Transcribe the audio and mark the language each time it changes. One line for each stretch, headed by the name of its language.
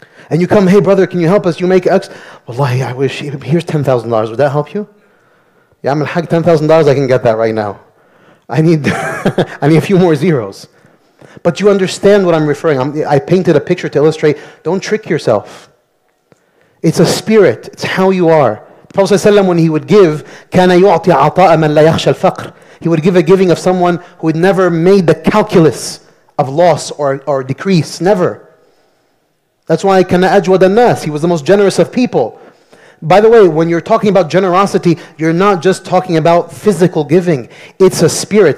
English: And you come, hey, brother, can you help us? You make X. Wallahi, I wish, here's $10,000. Would that help you? Yeah, I'm going to hack $10,000, I can get that right now. I need a few more zeros. But you understand what I'm referring. I painted a picture to illustrate. Don't trick yourself. It's a spirit. It's how you are. The Prophet ﷺ, when he would give,
Arabic: كَانَ يُعْطِي عَطَاءَ مَنْ لَا يَخْشَى الْفَقْرِ.
English: He would give a giving of someone who had never made the calculus of loss or decrease. Never. That's why
Arabic: كَانَ أَجْوَدَ النَّاسِ.
English: He was the most generous of people. By the way, when you're talking about generosity, you're not just talking about physical giving. It's a spirit.